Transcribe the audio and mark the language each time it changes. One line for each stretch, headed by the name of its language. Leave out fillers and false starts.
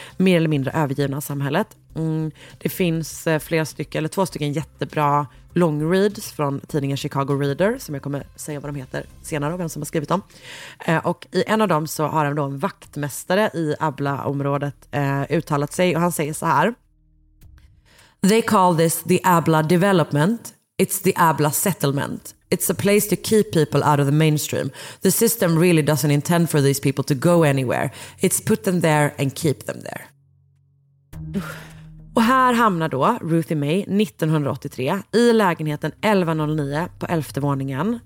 Swedish: Mer eller mindre övergivna av samhället. Det finns två stycken jättebra long reads från tidningen Chicago Reader, som jag kommer säga vad de heter senare och vem som har skrivit dem. Och i en av dem så har han då en vaktmästare i Abla-området uttalat sig, och han säger så här:
English: "They call this the Abla development. It's the Abla settlement. It's a place to keep people out of the mainstream. The system really doesn't intend for these people to go anywhere. It's put them there and keep them there."
Swedish: Och här hamnar då Ruthie May 1983 i lägenheten 1109 på 11:e våningen.